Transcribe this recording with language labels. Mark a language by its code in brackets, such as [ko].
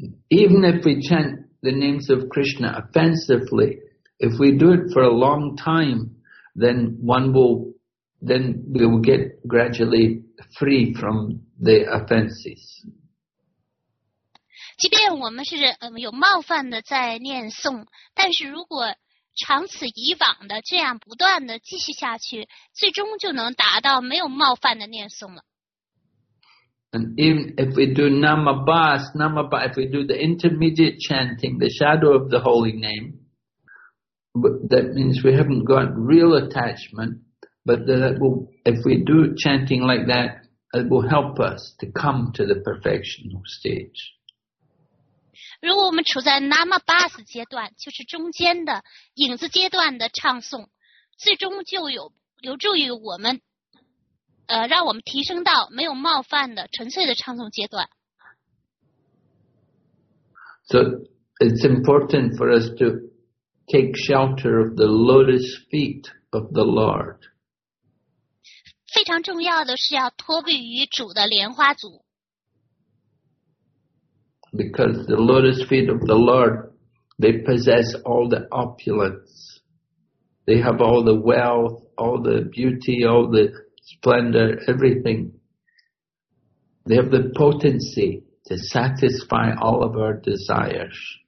[en] Even if we chant the names of Krishna offensively, if we do it for a long time, then we will get gradually free from the offenses. [zh] 即便我们是有冒犯的在念诵，但是如果长此以往的这样不断的继续下去，最终就能达到没有冒犯的念诵了。 [en] And even if we do namabhas, if we do the intermediate chanting, the shadow of the holy name, that means we haven't got real attachment, but that will, if we do chanting like that, it will help us to come to the perfectional stage. [zh] 如果我们处在 Namabhas 阶段，就是中间的影子阶段的唱诵，最终就有助于我们，让我们提升到没有冒犯的纯粹的唱诵阶段。 [en] So it's important for us to take shelter of the lotus feet of the Lord. [zh] 非常重要的是要托庇于主的莲花足。 [en] Because the lotus feet of the Lord, they possess all the opulence. They have all the wealth, all the beauty, all the splendor, everything. They have the potency to satisfy all of our desires.